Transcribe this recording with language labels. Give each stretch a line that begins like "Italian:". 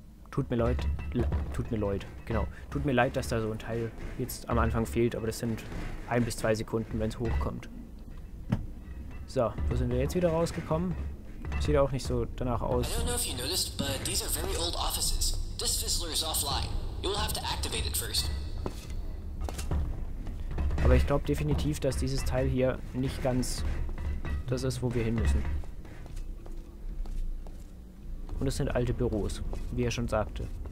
German: Tut mir leid, dass da so ein Teil jetzt am Anfang fehlt. Aber das sind 1 bis 2 Sekunden, wenn es hochkommt. So, wo sind wir jetzt wieder rausgekommen? Sieht auch nicht so danach aus.
English: I don't know if you noticed, but these are very old offices. This Fizzler is offline. You will have to activate it first.
German: Aber ich glaube definitiv, dass dieses Teil hier nicht ganz das ist, wo wir hin müssen. Und es sind alte Büros, wie er schon sagte.